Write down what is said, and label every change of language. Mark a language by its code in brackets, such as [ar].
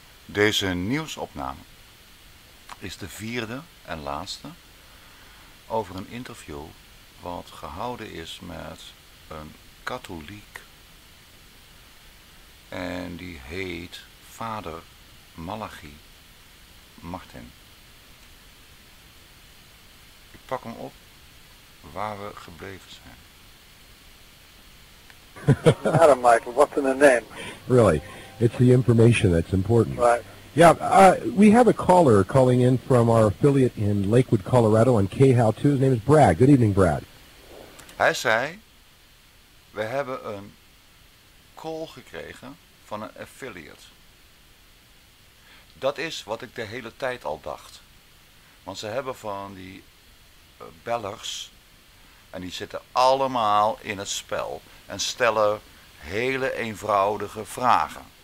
[nl] Deze nieuwsopname is de vierde en laatste over een interview wat gehouden is met een katholiek en die heet vader Malachi Martin. Ik pak hem op waar we gebleven zijn. [en] Adam Michael, what's in the name? Really? It's the information that's important. Right. Yeah, we have a caller calling in from our affiliate in Lakewood, Colorado on KHAL 2. His name is Brad. Good evening, Brad. [nl] Hij zei, we hebben een call gekregen van een affiliate. Dat is wat ik de hele tijd al dacht. Want ze hebben van die bellers en die zitten allemaal in het spel en stellen hele eenvoudige vragen.